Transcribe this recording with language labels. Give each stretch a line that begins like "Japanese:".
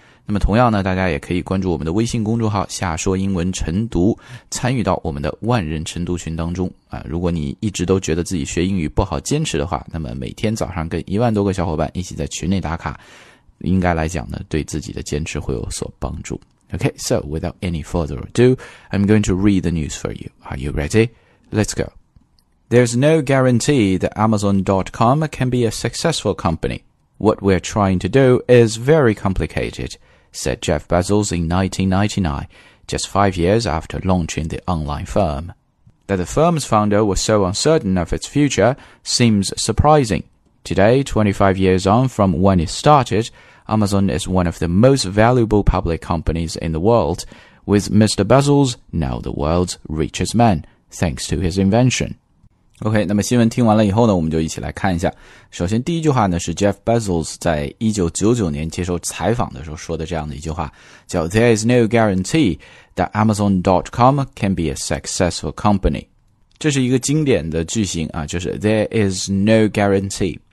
Chinese: 那么同样呢，大家也可以关注我们的微信公众号夏说英文晨读，参与到我们的万人晨读群当中啊。如果你一直都觉得自己学英语不好坚持的话，那么每天早上跟10000多个小伙伴一起在群内打卡，应该来讲呢，对自己的坚持会有所帮助。
English: OK, so without any further ado, I'm going to read the news for you. Are you ready? Let's go. There's no guarantee that Amazon.com can be a successful company. What we're trying to do is very complicated. Said Jeff Bezos in 1999, just 5 years after launching the online firm. That the firm's founder was so uncertain of its future seems surprising. Today, 25 years on from when it started, Amazon is one of the most valuable public companies in the world, with Mr. Bezos now the world's richest man, thanks to his invention.
Chinese: OK, 那么新闻听完了以后呢，我们就一起来看一下。首先第一句话呢，是 Jeff Bezos 在1999年接受采访的时候说的这样的一句话，叫
English: There is no guarantee that Amazon.com can be a successful company.
Chinese: 这是一个经典的句型啊，就是
English: There is no guarantee.